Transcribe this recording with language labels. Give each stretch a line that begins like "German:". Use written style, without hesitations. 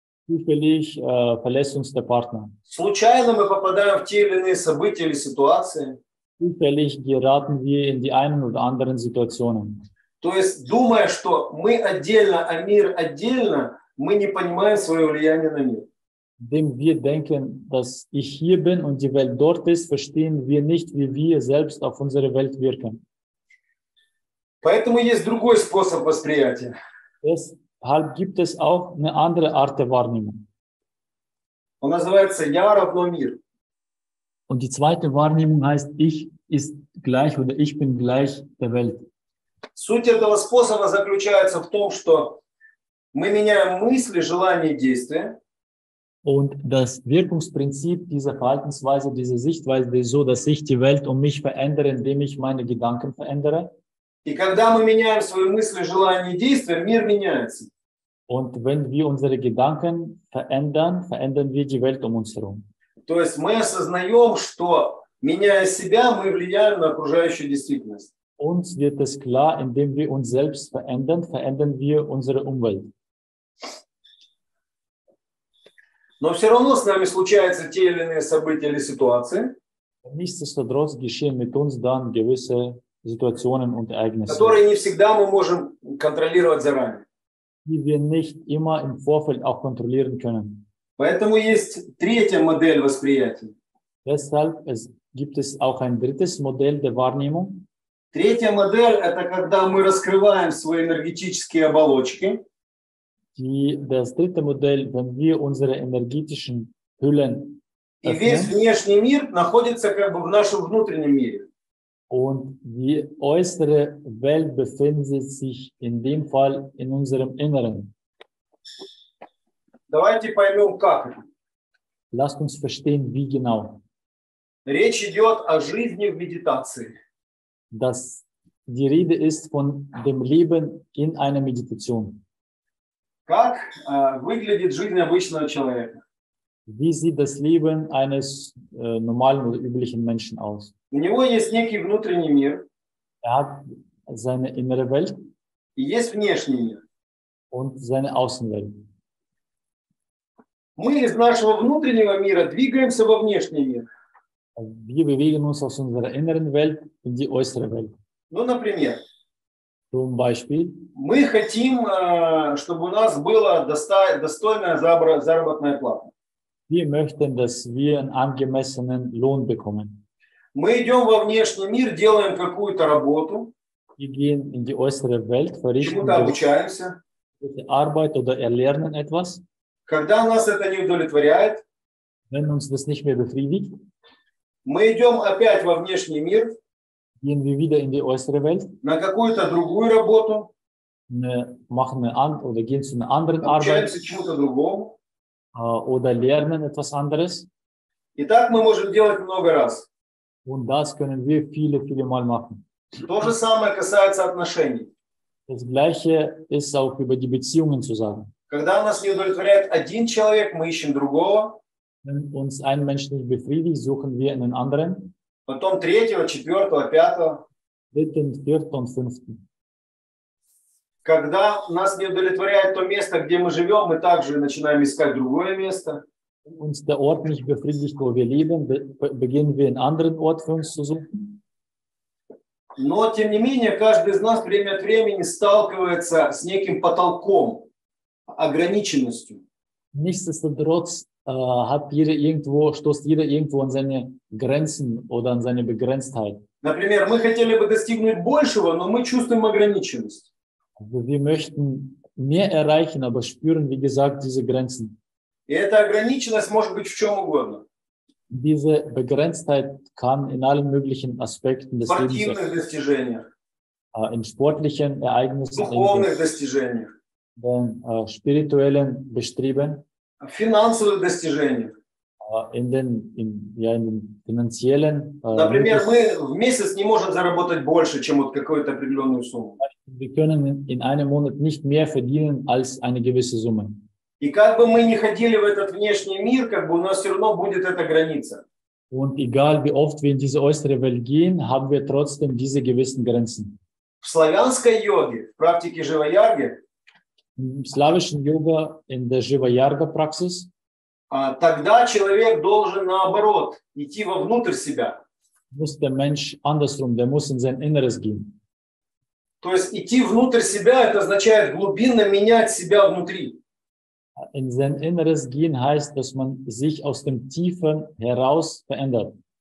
German: Zufällig verlässt uns der Partner.
Russian: Случайно мы попадаем в те или иные события или ситуации.
German: Zufällig geraten wir in die einen oder anderen Situationen.
Russian: То есть, думая, что мы отдельно, а мир отдельно, мы не понимаем свое влияние на мир.
German: Indem wir denken, dass ich hier bin und die Welt dort ist, verstehen wir nicht, wie wir selbst auf unsere Welt wirken.
Russian: Поэтому есть другой способ восприятия.
German: Deshalb gibt es auch eine andere Art der Wahrnehmung.
Russian: Он называется «Я равно мир».
German: Und die zweite Wahrnehmung heißt «Ich ist gleich» oder «Ich bin gleich der Welt».
Russian: Суть этого способа заключается в том, что мы меняем мысли, желания и действия.
German: Und das Wirkungsprinzip dieser Verhaltensweise, dieser Sichtweise ist so, dass ich die Welt um mich verändere, indem ich meine Gedanken verändere.
Russian: И когда мы меняем свои мысли, желания и действия, мир меняется.
German: Und wenn wir unsere Gedanken verändern, verändern wir die Welt um uns herum.
Russian: То есть мы осознаем, что меняя себя, мы влияем на окружающую действительность.
German: Uns wird es klar, indem wir uns selbst verändern, verändern wir unsere Umwelt.
Russian: Но все равно с нами случаются те или иные события или ситуации.
German: Nichtsdestotrotz geschehen mit uns dann gewisse Situationen und Ereignisse,
Russian: которые не всегда мы можем контролировать заранее,
German: die wir nicht immer im Vorfeld auch kontrollieren können.
Russian: Поэтому есть третья модель восприятия.
German: Deshalb gibt es auch ein drittes Modell der Wahrnehmung.
Russian: Третья модель – это когда мы раскрываем свои энергетические оболочки.
German: Das dritte Modell, wenn wir unsere energetischen Hüllen öffnen.
Russian: И весь внешний мир находится как бы в нашем внутреннем мире.
German: Und die äußere Welt befindet sich in dem Fall in unserem Inneren.
Russian: Давайте поймем, как.
German: Lasst uns verstehen, wie genau.
Russian: Речь идет о жизни в медитации.
German: Dass die Rede ist von dem Leben in einer Meditation.
Russian: Как выглядит жизнь обычного человека?
German: Wie sieht das Leben eines normalen oder üblichen Menschen aus?
Russian: У него есть некий внутренний мир.
German: Er hat seine innere Welt.
Russian: И есть внешний мир.
German: Und seine Außenwelt.
Russian: Мы из нашего внутреннего мира двигаемся во внешний мир.
German: Wir bewegen uns aus unserer inneren Welt in die äußere Welt.
Russian: Ну, например.
German: Zum Beispiel.
Russian: Мы хотим, чтобы у нас была достойная заработная плата.
German: Wir möchten, dass wir einen angemessenen Lohn bekommen.
Russian: Мы идем во внешний мир, делаем какую-то работу.
German: Wir gehen in die äußere Welt, verrichten
Russian: чему-то обучаемся.
German: Die Arbeit oder erlernen etwas.
Russian: Когда нас это не удовлетворяет,
German: wenn uns das nicht mehr befriedigt,
Russian: мы идем опять во внешний мир,
German: gehen wir wieder in die äußere Welt,
Russian: на какую-то другую работу,
German: machen eine andere oder gehen zu einer anderen Arbeit,
Russian: обучаемся чему-то другому,
German: oder lernen etwas anderes.
Russian: И так мы можем делать много раз.
German: Und das können wir viele, viele Mal machen.
Russian: То же самое касается отношений.
German: Das Gleiche ist auch über die Beziehungen zu sagen.
Russian: Когда нас не удовлетворяет один человек, мы ищем другого.
German: Wenn uns ein Mensch nicht befriedigt, suchen wir einen anderen.
Russian: Потом третьего, четвертого, пятого.
German: Dritten, vierten und fünften.
Russian: Когда нас не удовлетворяет то место, где мы живем, мы также начинаем искать другое место.
German: Uns der Ort nicht befriedigt, wo wir leben, beginnen wir einen anderen Ort für uns zu suchen.
Russian: Но, тем не менее, каждый из нас время от времени сталкивается с неким потолком, ограниченностью.
German: Nichtsdestotrotz hat jeder irgendwo, stoßt jeder irgendwo an seine Grenzen oder an seine Begrenztheit.
Russian: Например, мы хотели бы достигнуть большего, но мы чувствуем ограниченность.
German: Also, wir möchten mehr erreichen, aber spüren, wie gesagt, diese Grenzen.
Russian: И эта ограниченность может быть в чем угодно.
German: Diese Begrenztheit kann in allen möglichen Aspekten des Lebens sein. In sportlichen Ereignissen,
Russian: духовных
German: in spirituellen Bestreben,
Russian: финансовых достижениях.
German: In den finanziellen.
Russian: Например, мы в месяц не можем заработать больше, чем вот какую-то определенную сумму.
German: Wir können in einem Monat nicht mehr verdienen als eine gewisse Summe.
Russian: И как бы мы ни ходили в этот внешний мир, как бы у нас все равно будет эта граница.
German: Und egal wie oft wir in diese äußere Welt gehen, haben wir trotzdem diese gewissen Grenzen.
Russian: В славянской йоге, в практике Живаярги, в славянской йоге,
German: in der Живаярга Praxis,
Russian: тогда человек должен наоборот идти вовнутрь себя.
German: Muss der Mensch andersrum, der muss in sein Inneres gehen.
Russian: То есть идти внутрь себя, это означает глубинно менять себя внутри.
German: In sein Inneres gehen heißt, dass man sich aus dem Tiefen heraus verändert.